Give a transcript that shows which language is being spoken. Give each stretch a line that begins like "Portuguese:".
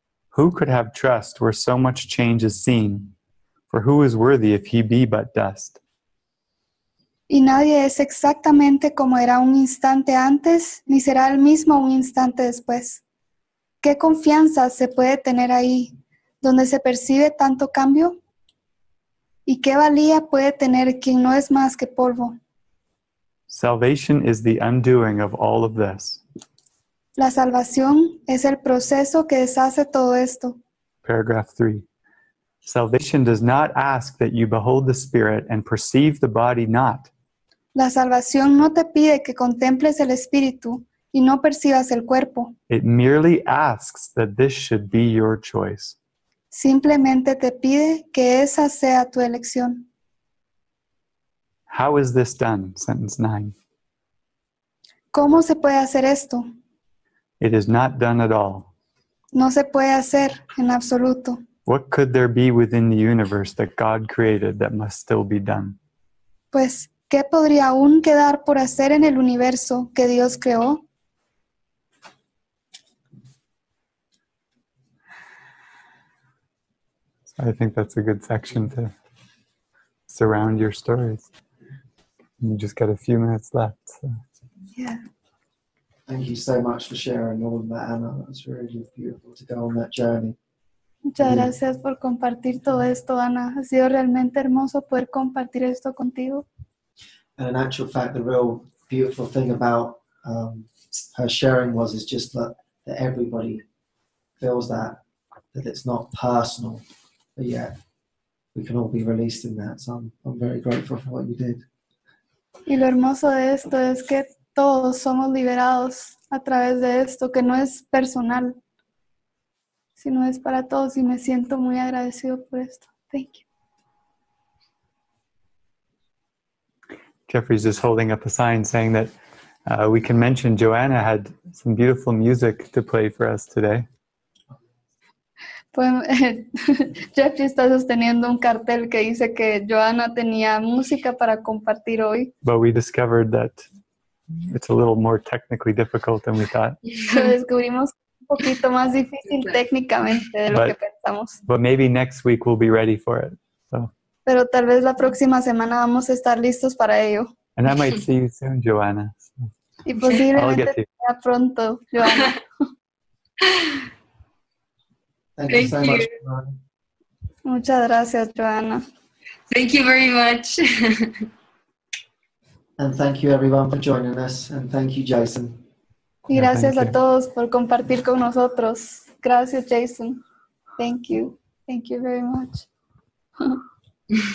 English: Who could have trust where so much change is seen? For who is worthy if he be but dust?
Spanish: Y nadie es exactamente como era un instante antes, ni será el mismo un instante después. ¿Qué confianza se puede tener ahí, donde se percibe tanto cambio? ¿Y qué valía puede tener quien no es más que polvo?
English: Salvation is the undoing of all of this.
Spanish: La salvación es el proceso que deshace todo esto.
English: Paragraph 3. Salvation does not ask that you behold the spirit and perceive the body not.
Spanish: La salvación no te pide que contemples el espíritu y no percibas el cuerpo.
English: It merely asks that this should be your choice.
Spanish: Simplemente te pide que esa sea tu elección.
English: How is this done? Sentence 9.
Spanish: ¿Cómo se puede hacer esto?
English: It is not done at all.
Spanish: No se puede hacer en absoluto.
English: What could there be within the universe that God created that must still be done?
Spanish: Pues, ¿qué podría aún quedar por hacer en el universo que Dios creó?
English: So I think that's a good section to surround your stories. You just got a few minutes left. So. Yeah. Thank you so much for sharing all of that, Anna. That's really beautiful to go on that journey.
Spanish: Muchas gracias por compartir todo esto, Ana. Ha sido realmente hermoso poder compartir esto contigo.
English: And in actual fact, the real beautiful thing about her sharing was is just that everybody feels that it's not personal, but yet we can all be released in that. So I'm very grateful for what you did.
Spanish: Y lo hermoso de esto es que todos somos liberados a través de esto, que no es personal. Si no es para todos, y me siento muy agradecido por esto.
English: Thank you. Jeffrey's just holding up a sign saying that we can mention Joanna had some beautiful music to play for us today.
Spanish: Jeffrey está sosteniendo un cartel que dice que Joanna tenía música para compartir hoy.
English: But we discovered that it's a little more technically difficult than we thought.
Spanish: Descubrimos poquito más difícil técnicamente de lo que pensamos.
English: But maybe next week we'll be ready for it. So.
Spanish: Pero tal vez la próxima semana vamos a estar listos para ello.
English: And I might see you soon, Joanna.
Spanish: So. Y posiblemente sea pronto, Joanna.
English: Thank you so much.
Spanish: Muchas gracias, Joanna.
English: Thank you very much. And thank you everyone for joining us. And thank you, Jason.
Spanish: Y gracias a todos por compartir con nosotros. Gracias,
English: Jason. Thank you. Thank you very much.